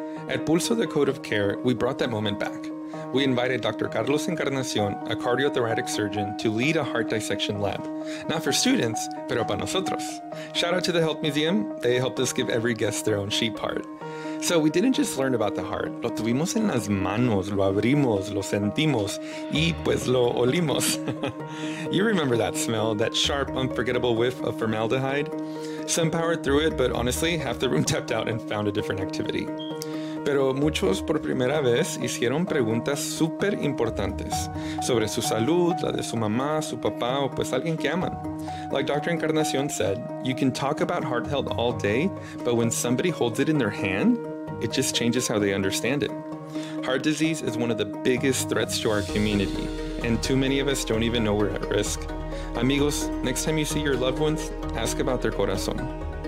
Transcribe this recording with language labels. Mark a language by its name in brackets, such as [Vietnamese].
[English] At Pulso, the code of care, we brought that moment back. We invited Dr. Carlos Encarnacion, a cardiothoracic surgeon, to lead a heart dissection lab. Not for students, [Spanish] pero para nosotros. [English] Shout out to the Health Museum. They helped us give every guest their own sheep heart. So we didn't just learn about the heart. [Spanish] Lo tuvimos en las manos, lo abrimos, lo sentimos, y pues lo olimos. [English] You remember that smell, that sharp, unforgettable whiff of formaldehyde? Some powered through it, but honestly, half the room tapped out and found a different activity. [Spanish] Pero muchos por primera vez hicieron preguntas súper importantes sobre su salud, la de su mamá, su papá, o pues alguien que aman. [English] Like Dr. Encarnacion said, you can talk about heart health all day, but when somebody holds it in their hand, it just changes how they understand it. Heart disease is one of the biggest threats to our community, and too many of us don't even know we're at risk. Amigos, next time you see your loved ones, ask about their corazón.